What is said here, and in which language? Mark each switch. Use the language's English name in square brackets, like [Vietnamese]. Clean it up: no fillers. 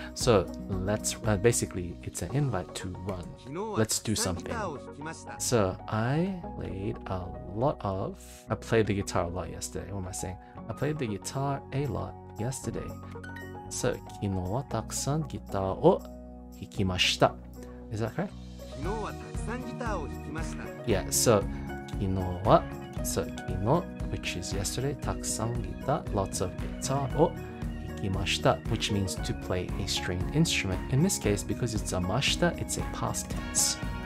[English] So, let's, basically, it's an invite to run. Let's do something. So, I played the guitar a lot yesterday. What am I saying? I played the guitar a lot yesterday. [Japanese] So, 昨日はたくさんギターを弾きました。 [English] Is that correct? [Japanese] 昨日はたくさんギターを弾きました。 [English] Yeah, so, 昨日は... So, 昨日, which is yesterday, たくさんギター, lots of guitar, 弾きました, which means to play a stringed instrument. In this case, because it's a ました, it's a past tense.